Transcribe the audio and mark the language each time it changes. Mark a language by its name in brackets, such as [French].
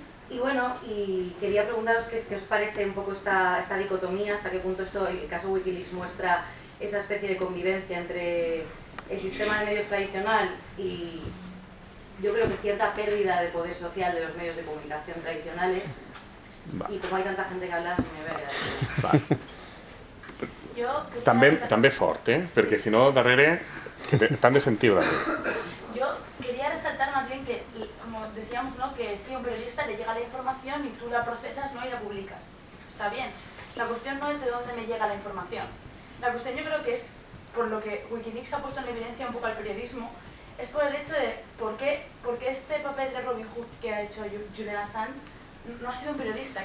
[Spanish] Y quería preguntaros qué os parece un poco esta dicotomía, hasta qué punto esto, el caso Wikileaks muestra esa especie de convivencia entre el sistema de medios tradicional y yo creo que cierta pérdida de poder social de los medios de comunicación tradicionales. Va. Y como hay tanta gente que habla, me voy a quedar. [Catalan] Jo... També fort, perquè si no, darrere, t'han de sentir darrere. [Spanish] Jo quería resaltar más bien que, como decíamos, ¿no?, que si a un periodista le llega la información y tú la procesas, ¿no?, y la publicas. Está bien. La cuestión no es de dónde me llega la información. La cuestión yo creo que es, por lo que Wikileaks ha puesto en evidencia un poco al periodismo, es por el hecho de por qué este papel de Robin Hood que ha hecho Julian Assange no ha sido un periodista.